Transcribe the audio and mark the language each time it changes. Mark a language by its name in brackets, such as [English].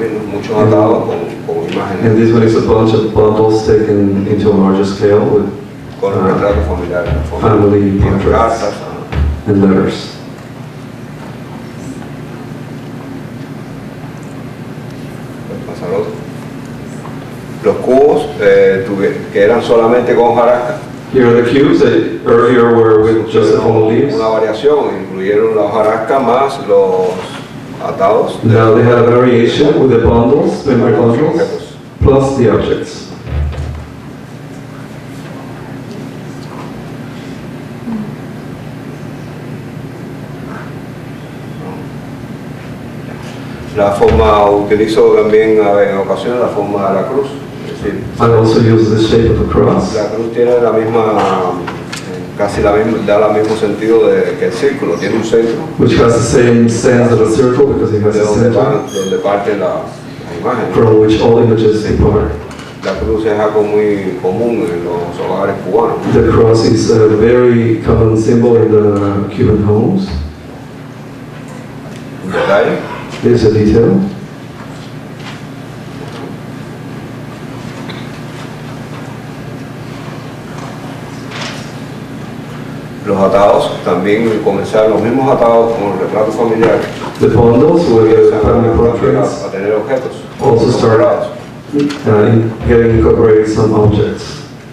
[English] And this one is a bunch of bundles taken into a larger scale with family portraits and letters. [Spanish] Los cubos que eran solamente con hojarasca. [English] Here are the cubes that earlier were with just the whole leaves. [Spanish] Una variación, incluyeron la hojarasca más los atados. [English] Now they had a variation with the bundles, memory bundles, plus the objects. [Spanish] La forma, utilizo también en ocasiones la forma de la cruz. [English] I also use the shape of the cross. [Spanish] La cruz tiene la misma, casi la misma, da el mismo sentido que el círculo. Tiene un centro. [English] Which has the same sense as a circle because it has a center. [Spanish] Donde parte la imagen. [English] From which all images depart. [Spanish] La cruz es algo muy común en los hogares cubanos. [English] The cross is a very common symbol in the Cuban homes. [Spanish] Detalle. [English] There's a detail. [Spanish] Los atados también comenzaron los mismos atados con el retrato familiar. [English] The bundles were the family portraits. [Spanish] A tener objetos. [English] Also started getting incorporated some objects.